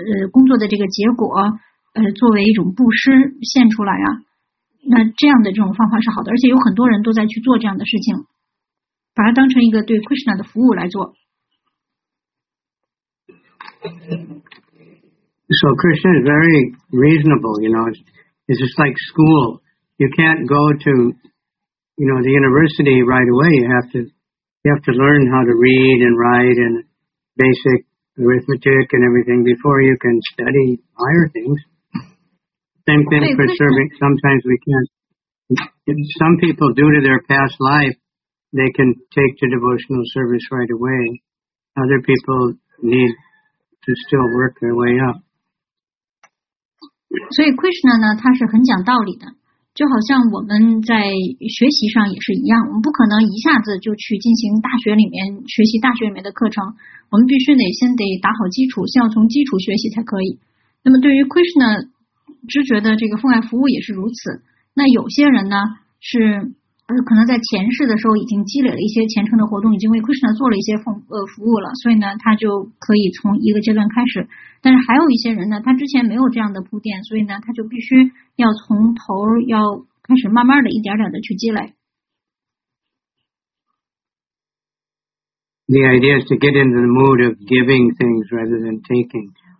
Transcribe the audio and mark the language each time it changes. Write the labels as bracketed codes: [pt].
[zh] 工作的这个结果作为一种布施献出来啊那这样的这种方法是好的而且有很多人都在去做这样的事情把它当成一个对 Krishna 的服务来做 [en] So Krishna is very reasonable you know it's just like school you can't go to you know the university right away you have to learn how to read and write and basic arithmetic and everything before you can study higher thingsSame thing for serving. Sometimes we can't. Some people, due to their past life, they can take to devotional service right away. Other people need to still work their way up. [zh] 所以 Krishna 呢，他是很讲道理的。就好像我们在学习上也是一样，我们不可能一下子就去进行大学里面学习大学里面的课程。我们必须得先得打好基础，先要从基础学习才可以。那么对于 Krishna。知觉的这个奉爱服务也是如此那有些人呢是可能在前世的时候已经积累了一些虔诚的活动已经为 Krishna 做了一些服务了所以呢他就可以从一个阶段开始但是还有一些人呢他之前没有这样的铺垫所以呢他就必须要从头要开始慢慢的一点点的去积累 [en] The idea is to get into the mood of giving things rather than taking